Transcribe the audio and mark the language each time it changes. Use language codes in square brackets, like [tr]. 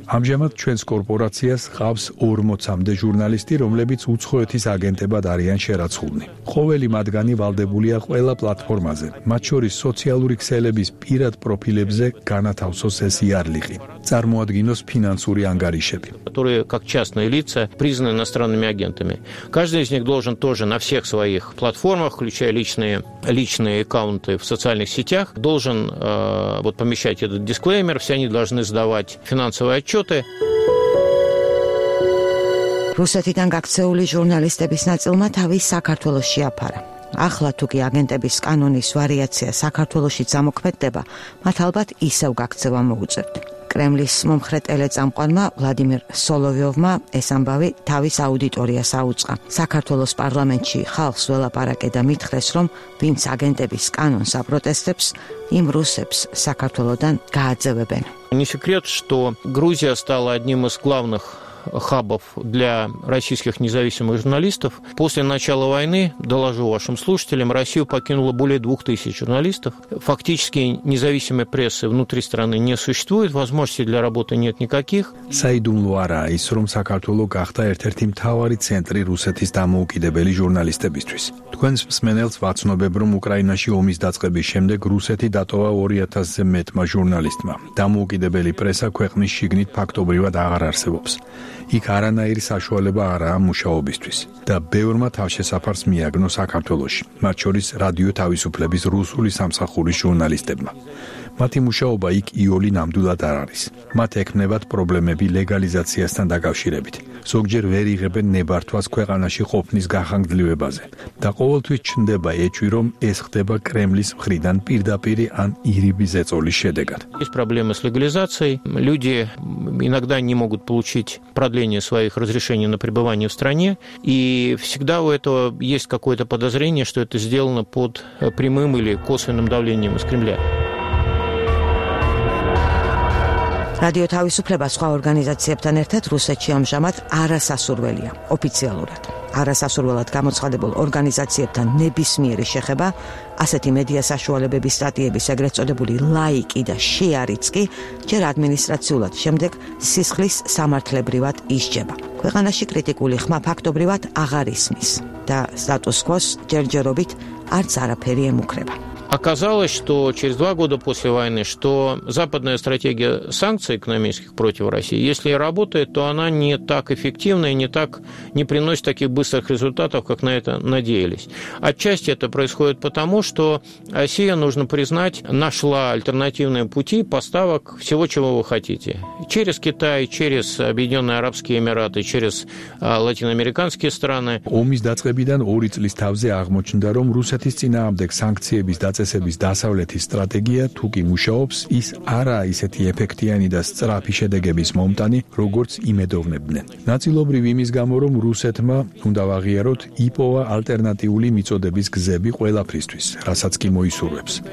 [ka] ამჟამად ჩვენს კორპორაციას ყავს 40-მდე ჟურნალისტი, რომლებიც უცხოეთის აგენტებად არიან შერაცხულნი. ყოველი მათგანი ვალდებულია ყველა პლატფორმაზე, მათ შორის სოციალური ქსელების პირად პროფილებზე განათავსოს ეს იარლიყი. წარმოადგინოს ფინანსური ანგარიშები. [ru] Которые как частные лица признаны иностранными агентами. Каждый из них должен тоже на всех своих платформах, включая личные аккаунты в социальных сетях, должен помещать этот дисклеймер. Все они должны сдавать финансовые отчеты. [ka] Русетидан гакцеули журналистების ნაწილმა თავი საქართველოს შეაფარა. ახლა თუ კი აგენტების კანონის ვარიაცია საქართველოში ზამოქმედდება, მათ ალბათ ისევ გაქცევა მოუწევთ. კრემლის მომხრე ტელეწამყვანმა ვლადიმერ სოლოვიოვმა ეს ამბავი თავის აუდიტორიას აუწყა. საქართველოს პარლამენტში ხალხს ველაპარაკე და მითხრეს, რომ ვინც აგენტების კანონს აპროტესტებს, იმ რუსებს საქართველოდან გააძევებენ. [ru] Не секрет, что Грузия стала одним из главных хабов для российских независимых журналистов. После начала войны, доложу вашим слушателям, Россию покинуло более 2000 журналистов. Фактически независимой прессы внутри страны не существует, возможностей для работы нет никаких. [ka] Саидумлу араис, რომ საქართველო გახდა ერთ-ერთი მთავარი ცენტრი რუსეთის დამოუკიდებელი ჟურნალისტებისთვის. Თქვენს მსმენელს ვაცნობებ, რომ უკრაინაში ომის დაწყების შემდეგ რუსეთი დატოვა 2000-ზე მეტმა ჟურნალისტმა. დამოუკიდებელი პრესა ქვეყნის შიგნით ფაქტობრივად აღარ არსებობს. იქ არანაირი საშუალება არაა მუშაობისთვის და ბევრმა თავშესაფარს მიაგნო საქართველოში, მათ შორის რადიო თავისუფლების რუსული სამსახურის ჟურნალისტებმა. მათი მუშაობა იქ იოლი ნამდვილად არ არის. მათ ექმნებათ პრობლემები ლეგალიზაციასთან დაკავშირებით. ზოგჯერ ვერ იღებენ ნებართვას ქვეყანაში ყოფნის გახანგრძლივებაზე და ყოველთვის ჩნდება ეჭვი, რომ ეს ხდება კრემლის მხრიდან პირდაპირი ან ირიბის ეწოლის შედეგად. Ის პრობლემა [ru] с легализацией. Люди иногда не могут получить продление своих разрешений на пребывание в стране, и всегда у этого есть какое-то подозрение, что это сделано под прямым или косвенным давлением из Кремля. [ka] რადიო თავისუფლება სხვა ორგანიზაციებთან ერთად რუსეთში ამჟამად არასასურველია ოფიციალურად. არასასურველად გამოცხადებულ ორგანიზაციებთან ნებისმიერი შეხება, ასეთი მედია საშუალებების სტატიების, ეგრეთ წოდებული ლაიკი და შეარიც კი ჯერ ადმინისტრაციულად, შემდეგ სისხლის სამართლებრივად ისჯება. ქვეყანაში კრიტიკული ხმა ფაქტობრივად აღარ ისმის და სტატუს-კვოს ჯერჯერობით არც არაფერი ემუქრება. [ru] Оказалось, что через 2 года после войны, что западная стратегия санкций экономических против России, если и работает, то она не так эффективна и не приносит таких быстрых результатов, как на это надеялись. Отчасти это происходит потому, что Россия, нужно признать, нашла альтернативные пути поставок всего, чего вы хотите. Через Китай, через Объединенные Арабские Эмираты, через латиноамериканские страны. [ka] Омис дацхебидан 2 წლის თავზე აღმოჩნდა, რომ რუსეთის ძინაამდეგ санкციების წესების დასავლეთის სტრატეგია, თუ კი მუშაობს, ის არაა ისეთი ეფექტიანი და სწრაფი შედეგების მომტანი, როგორც იმედოვნებდნენ. ნაწილობრივ იმის გამო, რომ რუსეთმა, უნდა ვაღიაროთ, იპოვა ალტერნატიული მიწოდების გზები ყველაფრისთვის, რასაც კი მოისურვებს.